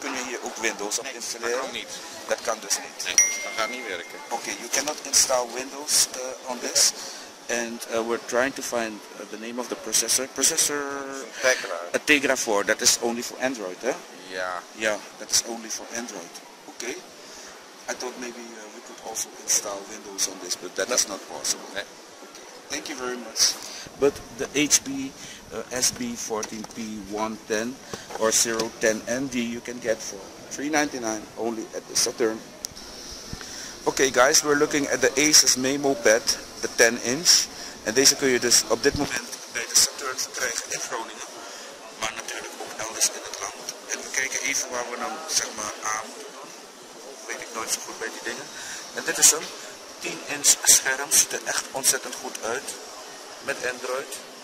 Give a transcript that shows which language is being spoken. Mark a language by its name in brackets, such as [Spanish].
[Dutch] Kun je hier ook Windows op installeren? Nee, dat kan niet. Dat kan dus niet. Nee, dat gaat niet werken. [English] Okay, you cannot install Windows on this. And we're trying to find the name of the processor. Processor... Tegra. Tegra 4, that is only for Android, [Dutch] hè? Ja. Ja, [English] that is only for Android. Okay. I thought maybe we could also install Windows on this, but that is not possible. [Dutch] Nee. [English] Okay. Thank you very much. But the HP SB14P110 or 010ND you can get for $399 only at the Saturn. Okay guys, we're looking at the Asus Memo Pad, the 10-inch. [Dutch] En deze kun je dus op dit moment bij de Saturn verkrijgen in Groningen. Maar natuurlijk ook elders in het land. En we kijken even waar we dan zeg maar aan moeten doen. Weet ik nooit zo goed bij die dingen. En dit is een 10-inch scherm, ziet er echt ontzettend goed uit. Met Android.